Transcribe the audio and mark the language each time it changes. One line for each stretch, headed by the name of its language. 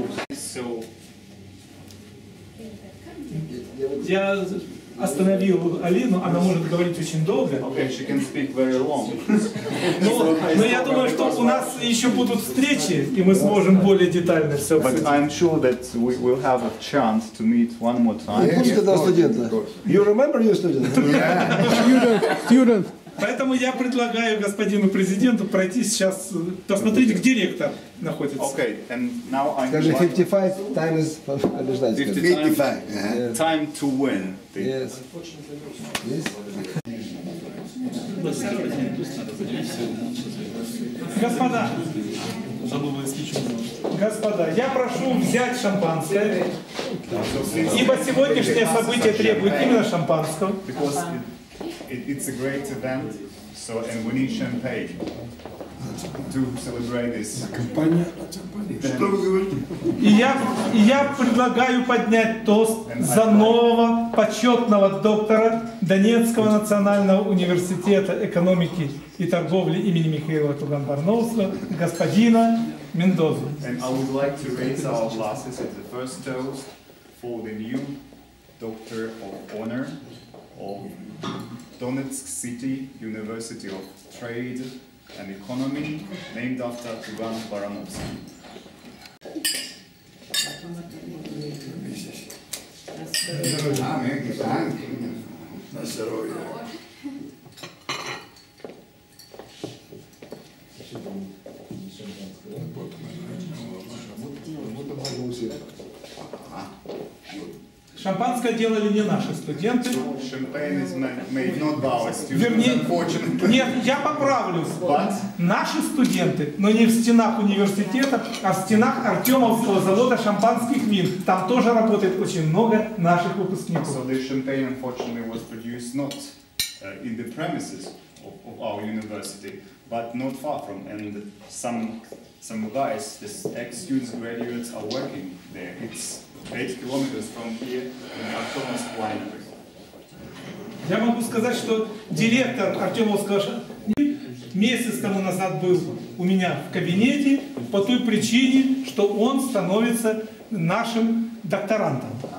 Russian: So, я остановил Алину, она может говорить очень долго.
English: Okay, she can speak very long.
Russian: Но я думаю, что у нас еще будут встречи, и мы сможем более детально все обсудить.
English: But I'm sure that we will have a chance to meet one more time. Yeah, yeah, of course. You remember your student? Yeah. Student.
Russian: Поэтому я предлагаю господину президенту пройти сейчас, посмотреть, где ректор находится.
English: Okay, and now I'm
Russian: скажи,
English: 55, time is... 55. Time to win. Yes.
Russian: Господа, я прошу взять шампанское, ибо сегодняшнее событие требует именно шампанского.
English: It's a great event, so and we need champagne to celebrate this.
Russian: Компания
English: champagne.
Russian: Я предлагаю поднять тост за нового почетного доктора Донецкого национального университета экономики и торговли имени Михаила Туган-Барновского господина Мендозу.
English: And I would like to raise our glasses as the first toast for the new Doctor of Honor of Donetsk City University of Trade and Economy, named after Tugan Baranovsky.
Russian: Шампанское делали не наши студенты.
English: Champagne is made not by our students, unfortunately.
Russian: Нет, я поправлюсь. But наши студенты, но не в стенах университета, а в стенах Артемовского завода шампанских вин. Там тоже работает очень много наших выпускников.
English: So the champagne, unfortunately, was produced not in the premises of our university, but not far from. And some guys, these ex-students, graduates, are working there. It's 8 kilometers from here, in Artemovsk
Russian: Winery. Я могу сказать, что директор Артемовского шампанского месяц тому назад был у меня в кабинете по той причине, что он становится нашим докторантом.